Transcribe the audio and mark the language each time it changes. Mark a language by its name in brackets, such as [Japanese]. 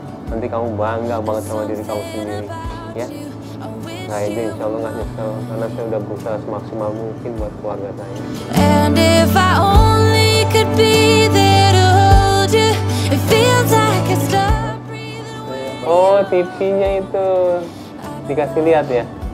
[Indonesian] Nanti kamu bangga banget sama diri kamu sendiri, ya. Nah, ini insya Allah gak nyesel, karena saya udah berusaha semaksimal mungkin buat keluarga saya. [English] And if I only could be there to hold you, it feels like I stop breathing. [Indonesian] Oh, TV-nya itu dikasih lihat ya.